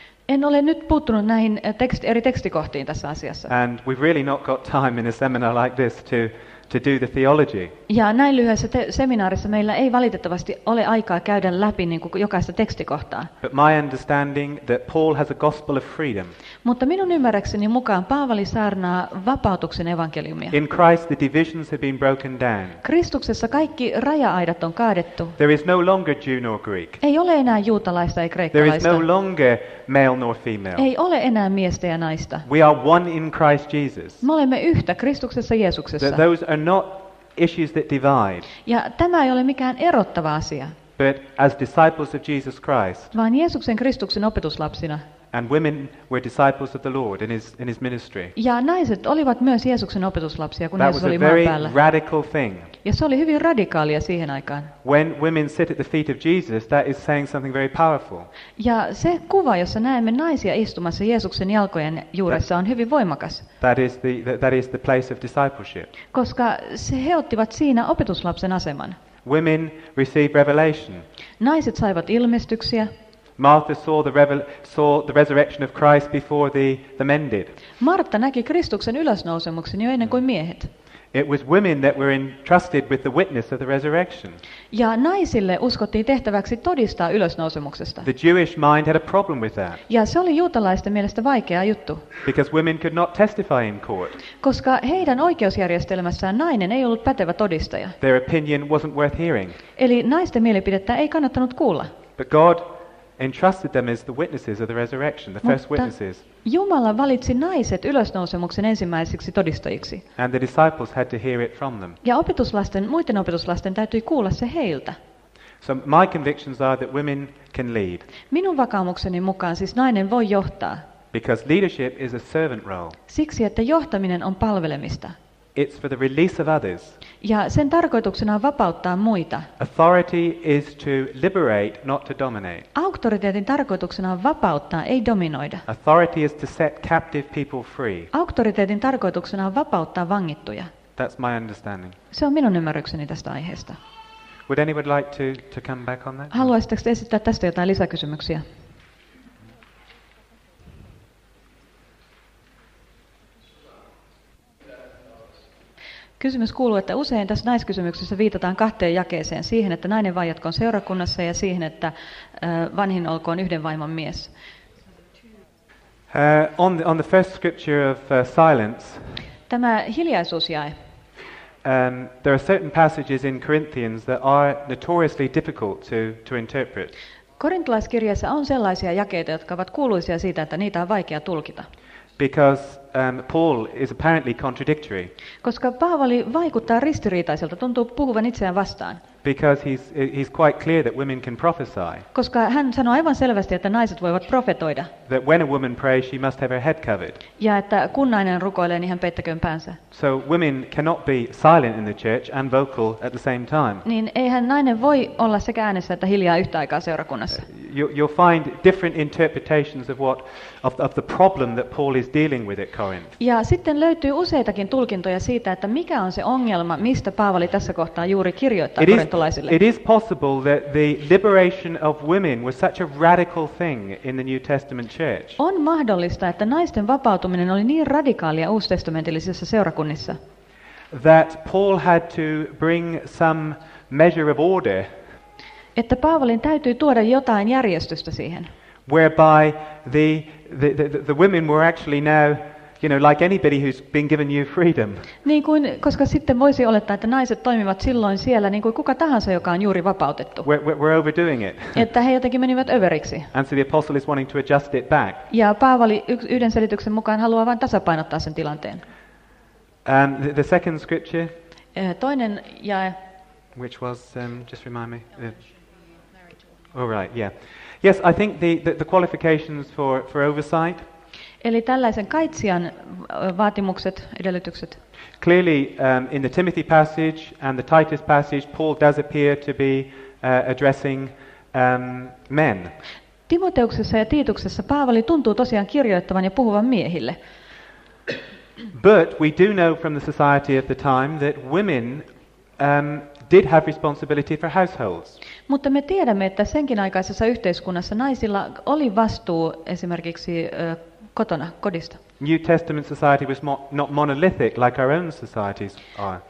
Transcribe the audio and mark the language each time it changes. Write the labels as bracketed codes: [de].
[fi] En ole nyt puuttunut näihin eri tekstikohtiin tässä asiassa. [en] And we've really not got time in a seminar like this to do the theology. [fi] Ja näin lyhyessä seminaarissa meillä ei valitettavasti ole aikaa käydä läpi niin kuin jokaista tekstikohtaa. [en] But my understanding that Paul has a gospel of freedom. [fi] Mutta minun ymmärrykseni mukaan Paavali saarnaa vapautuksen evankeliumia. [en] In Christ the divisions have been broken down. [fi] Kristuksessa kaikki raja-aidat on kaadettu. [en] There is no longer Jew nor Greek. [fi] Ei ole enää juutalaista eikä kreikkalaista. [en] There is no longer male nor female. [fi] Ei ole enää miestä ja naista. [en] We are one in Christ Jesus. [fi] Me olemme yhtä Kristuksessa Jeesuksessa. [en] Those are not issues that divide. [fi] Ja tämä ei ole mikään erottava asia. [en] But as disciples of Jesus Christ. [fi] Vaan Jeesuksen Kristuksen opetuslapsina. [en] And women were disciples of the Lord in his ministry. [fi] Ja naiset olivat myös Jeesuksen opetuslapsia, kun Jeesus oli maan päällä. [en] That was a very radical thing. [fi] Ja se oli hyvin radikaalia siihen aikaan. [en] When women sit at the feet of Jesus, that is saying something very powerful. [fi] Ja se kuva, jossa näemme naisia istumassa Jeesuksen jalkojen juuressa, on hyvin voimakas. [en] That is the place of discipleship. [fi] Koska he ottivat siinä opetuslapsen aseman. [en] Women received revelation. [fi] Naiset saivat ilmestyksiä. [en] Martha saw the resurrection of Christ before the men did. [fi] Martta näki Kristuksen ylösnousemuksen jo ennen kuin miehet. [en] It was women that were entrusted with the witness of the resurrection. [fi] Ja naisille uskottiin tehtäväksi todistaa ylösnousemuksesta. [en] The Jewish mind had a problem with that. [fi] Ja se oli juutalaisten mielestä vaikea juttu. [en] Because women could not testify in court. [fi] Koska heidän oikeusjärjestelmässään nainen ei ollut pätevä todistaja. [en] Their opinion wasn't worth hearing. [fi] Eli naisten mielipidettä ei kannattanut kuulla. [en] But God entrusted them as the witnesses of the resurrection, the first witnesses. [fi] Jumala valitsi naiset ylösnousemuksen ensimmäisiksi todistajiksi. [en] And the disciples had to hear it from them. [fi] Ja muiden opetuslasten täytyi kuulla se heiltä. [en] So my convictions are that women can lead. [fi] Minun vakaumukseni mukaan siis nainen voi johtaa. [en] Because leadership is a servant role. [fi] Siksi että johtaminen on palvelemista. [en] It's for the release of others. [fi] Ja sen tarkoituksena on vapauttaa muita. [en] Authority is to liberate, not to dominate. [fi] Auktoriteetin tarkoituksena on vapauttaa, ei dominoida. [en] Authority is to set captive people free. [fi] Auktoriteetin tarkoituksena on vapauttaa vangittuja. [en] That's my understanding. [fi] Se on minun ymmärrykseni tästä aiheesta. [en] Would anybody like to come back on that? [fi] Haluaisitteko esittää tästä jotain lisäkysymyksiä? Kysymys kuuluu, että usein tässä naiskysymyksessä viitataan kahteen jakeeseen, siihen, että nainen vaijatkoon seurakunnassa ja siihen, että vanhin olkoon yhden vaimon mies. [en] On the first scripture of silence. [fi] Tämä hiljaisuus jäi. [en] There are certain passages in Corinthians that are notoriously difficult to interpret. [fi] Korintalaiskirjassa on sellaisia jakeita, jotka ovat kuuluisia siitä, että niitä on vaikea tulkita. [en] Because Paul is apparently contradictory. [fi] Koska Paavali vaikuttaa ristiriitaiselta, tuntuu puhuvan itseään vastaan. [en] Because he's quite clear that women can prophesy. [fi] Koska hän sanoo aivan selvästi, että naiset voivat profetoida. [en] That when a woman prays, she must have her head covered. [fi] Ja että kun nainen rukoilee, niin hän peittäköön päänsä. [en] So women cannot be silent in the church and vocal at the same time. [fi] Niin eihän nainen voi olla sekä äänessä että hiljaa yhtä aikaa seurakunnassa. [en] You'll find different interpretations of the problem that Paul is dealing with at Corinth. [fi] Ja sitten löytyy useitakin tulkintoja siitä, että mikä on se ongelma, mistä Paavali tässä kohtaa juuri kirjoittaa. [en] It is possible that the liberation of women was such a radical thing in the New Testament church. [fi] On mahdollista, että naisten vapautuminen oli niin radikaalia uustestamentillisessa seurakunnissa. [en] That Paul had to bring some measure of order. [fi] Että Paavalin täytyy tuoda jotain järjestystä siihen. [en] Whereby the women were actually now you know, like anybody who's been given new freedom. [fi] Niin kuin, koska sitten voisi olettaa, että naiset toimivat silloin siellä niin kuin kuka tahansa, joka on juuri vapautettu. [en] We're overdoing it. [fi] Että he jotenkin menivät överiksi. [en] And so the apostle is wanting to adjust it back. [fi] Ja Paavali yhden selityksen mukaan haluaa vain tasapainottaa sen tilanteen. [en] The second scripture. [fi] Toinen jae. [en] Which was just remind me. All right, yeah. Yes, I think the qualifications for oversight. [fi] Eli tällaisen kaitsijan vaatimukset, edellytykset. [en] Clearly, in the Timothy passage and the Titus passage, Paul does appear to be addressing men. [fi] Timoteuksessa ja Tiituksessa Paavali tuntuu tosiaan kirjoittavan ja puhuvan miehille. [en] But we do know from the society of the time that women did have responsibility for households. [fi] Mutta me tiedämme, että senkin aikaisessa yhteiskunnassa naisilla oli vastuu esimerkiksi kotona, kodista. [en] New Testament society was not monolithic like our own societies are.